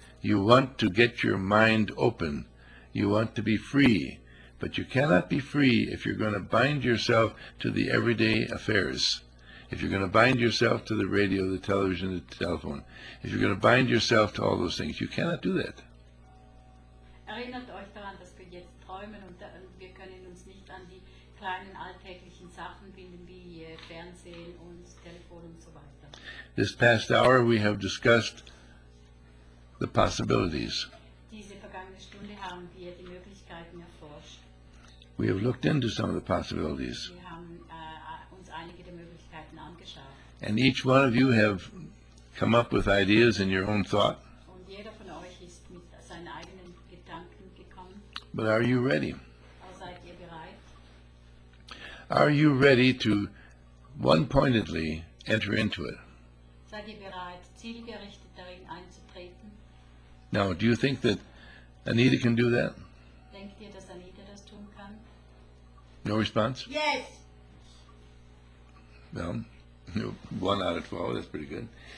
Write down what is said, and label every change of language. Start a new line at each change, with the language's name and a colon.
English: You want to get your mind open. You want to be free. But you cannot be free if you're going to bind yourself to the everyday affairs. If you're going to bind yourself to the radio, the television, the telephone. If you're going to bind yourself to all those things. You cannot do that.
German: Erinnert euch daran, dass wir jetzt träumen und wir können uns nicht an die kleinen alltäglichen Sachen binden wie Fernsehen und Telefon und so weiter.
English: This past hour we have discussed the possibilities.
German: Diese vergangene Stunde haben wir die Möglichkeiten erforscht.
English: We have looked into some of the possibilities.
German: Wir haben uns einige der Möglichkeiten angeschaut.
English: And each one of you have come up with ideas in your own thought.
German: Und jeder von euch ist mit seinen eigenen Gedanken gekommen.
English: But are you ready?
German: Seid ihr bereit?
English: Are you ready to one pointedly enter into it?
German: Seid ihr bereit, zielgerichtet darin einzutreten?
English: Now, do you think that Anita can do that?
German: Denkt ihr, dass Anita das tun kann?
English: No response? Yes! Well, one out of 12, that's pretty good.